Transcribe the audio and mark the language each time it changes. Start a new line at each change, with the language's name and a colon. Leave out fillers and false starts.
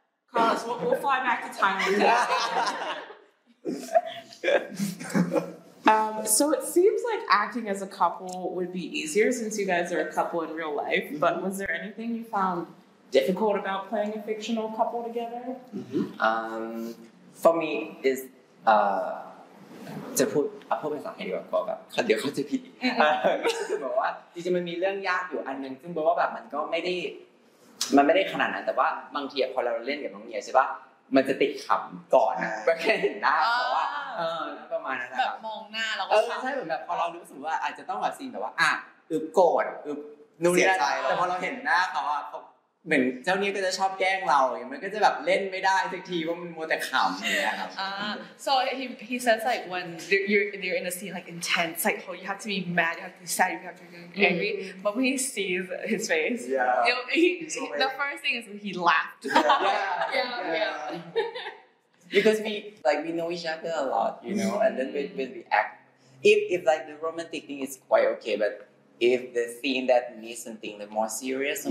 English: Carlos, we'll fly back to time. With yeah. So it seems like acting as a couple would be easier since you guys are a couple in real life, mm-hmm. But was there anything you found difficult about playing a fictional couple together? Mm-hmm. For me, it's
Thai: จะพูดเอาพูดเป็นสองให้ดีกว่าเพราะแบบเดี๋ยวเขาจะผิดก็คือบอกว่าจริงๆมันมีเรื่องยากอยู่อันนึงซึ่งบอกว่าแบบมันไม่ได้ขนาดนั้นแต่ว่าบางทีพอเราเล่นกับน้องเมียใช่ปะมันจะติดขำก่อนแค่เห็นหน้าเพราะว่าประมาณนั้น แบบมองหน้าแล้วก็ ใช่เหมือนแบบพอเรารู้สึกว่าอาจจะต้องแบบซีนแบบว่าอ่ะอึบโกรธอึบนู่นนี่แต่ พอเราเห็นหน้าเขาอ่ะเหมือนเจ้านี่ก็จะชอบแกล้งเราอย่างมันก็จะแบบเล่นไม่ได้สักทีว่ามันมัวแต่ขำเนี่ยครับ
English: so he says like when you're in a scene like intense like oh you have to be mad you have to be sad you have to be angry but when he sees his face the first thing is he laughed yeah. Because we know each other a lot, you know, and then when we act, if like the romantic thing is quite okay, but if the scene that needs something the more serious or